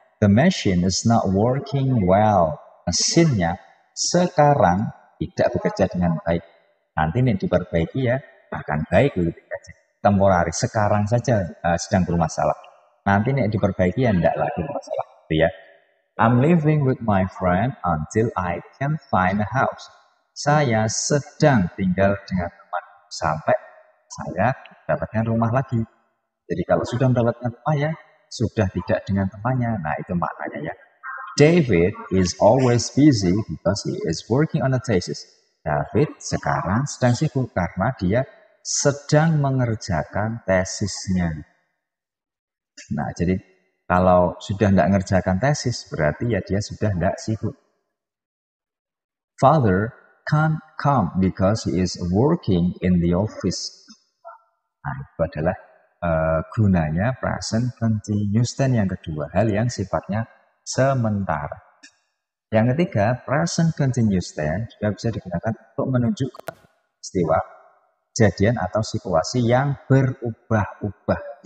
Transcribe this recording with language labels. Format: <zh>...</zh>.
<en>the machine is not working well.</en> <id>Mesinnya sekarang tidak bekerja dengan baik. Nanti ini diperbaiki ya, bahkan baik lebih saja. Temporari, sekarang saja sedang bermasalah. Nanti ini diperbaiki ya, tidak lagi bermasalah. Gitu ya.</id> <en>I'm living with my friend until I can find a house.</en> <id>Saya sedang tinggal dengan teman sampai saya dapatkan rumah lagi. Jadi kalau sudah mendapatkan rumah ya, sudah tidak dengan temannya. Nah, itu maknanya ya.</id> <en>David is always busy because he is working on a thesis.</en> <id>David sekarang sedang sibuk karena dia sedang mengerjakan tesisnya. Nah, jadi kalau sudah tidak mengerjakan tesis, berarti ya dia sudah tidak sibuk.</id> <en>Father can't come because he is working in the office.</en> <id>Nah, itu adalah gunanya present continuous tense yang kedua, hal yang sifatnya sementara. Yang ketiga, present continuous tense juga bisa digunakan untuk menunjukkan peristiwa, kejadian atau situasi yang berubah-ubah.</id>